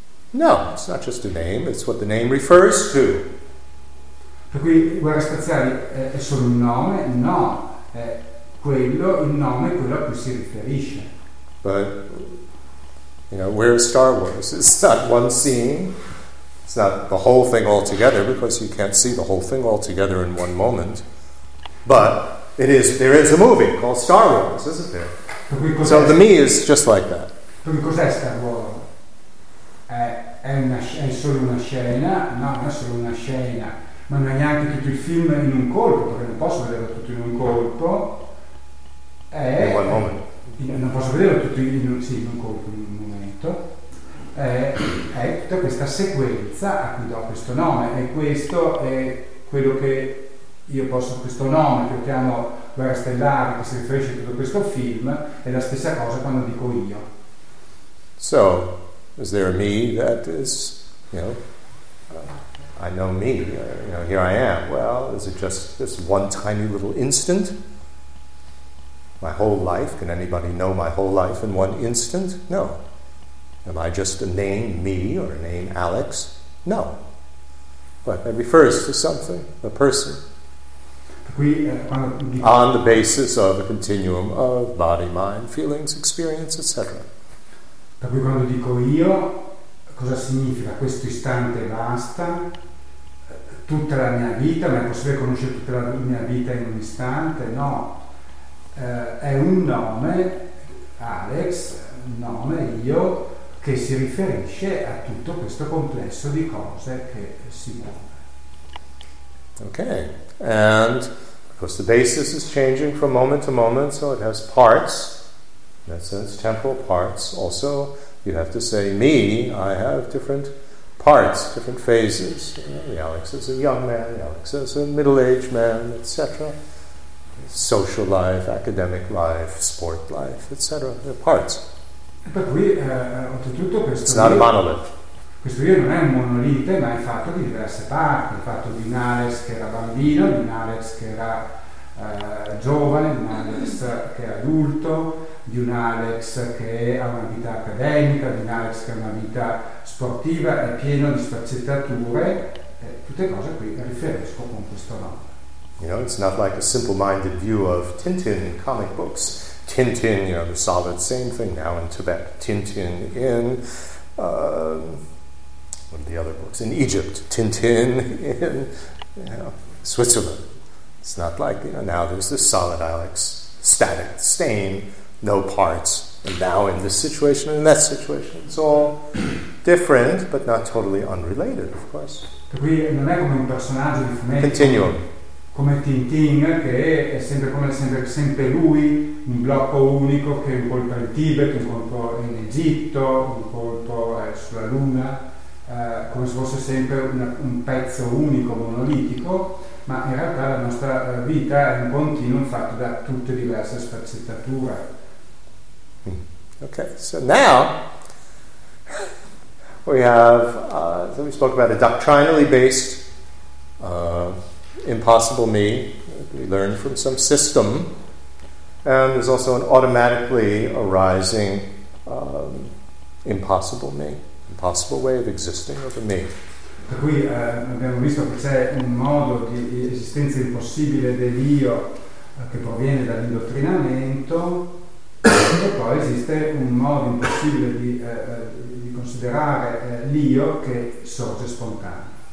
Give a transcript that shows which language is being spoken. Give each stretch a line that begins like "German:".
English: No, it's not just a name, it's what the name refers to.
Italian: Per cui guerra spaziale è solo un nome? No, è quello, il nome è quello a cui si riferisce.
English: But, you know, where is Star Wars? It's not one scene, it's not the whole thing altogether, because you can't see the whole thing altogether in one moment. But it is. There is a movie called Star Wars, isn't there? So the me is just like that.
Italian: Quindi cos'è Star Wars? È solo una scena? No, non è solo una scena, ma non è neanche tutto il film in un colpo, perché non posso vederlo tutto in un colpo.
English: In one moment.
Italian: Non posso vederlo tutto in un colpo. È tutta questa sequenza a cui do questo nome, e questo è quello che io posso, questo nome che chiamo guerra stellare, che si riferisce a tutto questo film, è la stessa cosa quando dico io.
English: So, is there a me that is, you know, I know me, you know, here I am. Well, is it just this one tiny little instant? My whole life, can anybody know my whole life in one instant? No. Am I just a name, me, or a name, Alex? No. But it refers to something, a person.
Italian: Qui,
English: on the basis of a continuum of body, mind, feelings, experience, etc.
Italian: Per cui quando dico io, cosa significa? Questo istante basta? Tutta la mia vita? Ma è possibile conoscere tutta la mia vita in un istante? No. È un nome, Alex, nome io, che si riferisce a tutto questo complesso di cose che si muove. Ok.
English: And because the basis is changing from moment to moment, so it has parts, in that sense, temporal parts. Also, you have to say, me, I have different parts, different phases. You know, the Alex is a young man, the Alex is a middle-aged man, etc. Social life, academic life, sport life, etc. There are parts. It's not a monolith.
Italian: Questo io non è un monolite, ma è fatto di diverse parti, è fatto di un Alex che era bambino, di un Alex che era giovane, di un Alex che è adulto, di un Alex che ha una vita accademica, di un Alex che ha una vita sportiva, è pieno di sfaccettature, tutte cose qui riferisco con questo nome.
English: You know, it's not like a simple-minded view of Tintin in comic books. Tintin, you know, the solid same thing now in Tibet. Tintin in one of the other books, in Egypt, Tintin in, you know, Switzerland. It's not like, you know, now there's this solid Alex, static, stain, no parts, and now in this situation and in that situation. It's all different, but not totally unrelated, of course.
Italian: Qui non è come un personaggio di fumetto. Continuum. Come Tintin, che è sempre come sempre lui, un blocco unico, che è un colpo in Tibet, un colpo in Egitto, un colpo sulla Luna. Come se fosse sempre un pezzo unico, monolitico, ma in realtà la nostra vita è un continuum fatto da tutte diverse sfaccettature.
English: Ok, so now we have, so we spoke about a doctrinally based impossible me that we learned from some system, and there's also an automatically arising impossible me. Possible way of existing of a me.
Italian: Per cui abbiamo visto che c'è un modo di esistenza impossibile dell'io che proviene dall'indottrinamento, e poi esiste un modo impossibile di considerare l'io che sorge spontaneo.